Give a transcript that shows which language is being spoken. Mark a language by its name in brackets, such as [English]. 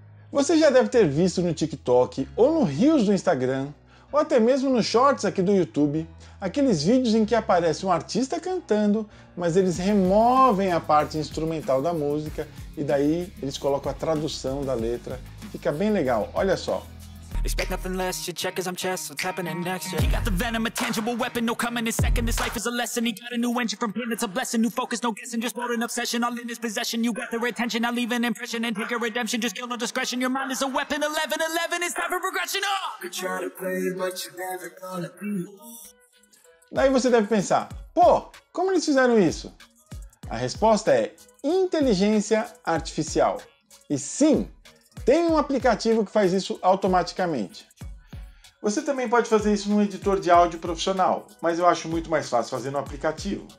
[Portuguese] Você já deve ter visto no TikTok, ou no Reels do Instagram, ou até mesmo nos Shorts aqui do YouTube, aqueles vídeos em que aparece um artista cantando, mas eles removem a parte instrumental da música e daí eles colocam a tradução da letra. Fica bem legal, olha só. [English] Expect nothing less, you check as I'm chess, what's happening next, yeah. He got the venom, a tangible weapon, no coming in second, this life is a lesson. He got a new engine from pain, it's a blessing, new focus, no guessing, just bold and obsession, all in his possession. You got the retention, I'll leave an impression and take a redemption, just kill no discretion. Your mind is a weapon, 11-11, it's time for progression, oh! You try to play, but you're never gonna be. [Portuguese] Daí você deve pensar, pô, como eles fizeram isso? A resposta é inteligência artificial. E sim! Tem um aplicativo que faz isso automaticamente. Você também pode fazer isso num editor de áudio profissional, mas eu acho muito mais fácil fazer no aplicativo.